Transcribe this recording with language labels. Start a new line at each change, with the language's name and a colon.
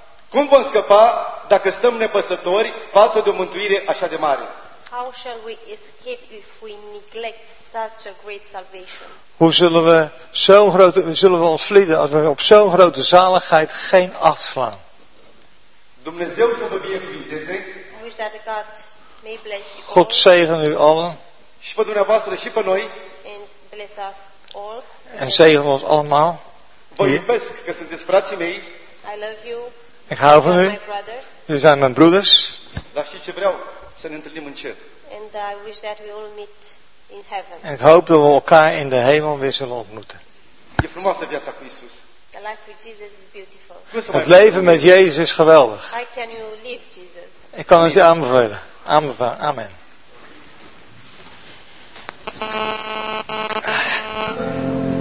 Romanian: Cum vom scăpa dacă stăm nepăsători față de o mântuire așa de mare?
English: How shall we escape if we neglect such a great salvation?
Dutch: Hoe zullen we zo'n grote zullen we ontvlieden als we op zo'n grote zaligheid geen acht slaan?
Romanian: Dumnezeu să vă binecuvinteze.
English: I wish that God may bless you.
Dutch: God zegen u allen.
Romanian: Și pe dumneavoastră și pe noi.
English: And bless us.
Dutch: En zegen ons allemaal.
Romanian: Vă iubesc, că sunteți frații mei.
English: I love you.
Dutch: Ik hou van u. U zijn mijn broeders.
Romanian: Dar știi ce vreau? Să ne întâlnim în cer.
English: And I wish that we all meet in heaven.
Dutch: En ik hoop dat we elkaar in de hemel weer zullen ontmoeten.
Romanian: E frumoasă viața cu Iisus.
English: The life with Jesus is beautiful.
Dutch: Het leven met Jezus is geweldig.
English: How can you live Jesus?
Dutch: Ik kan het je aanbevelen. Amen.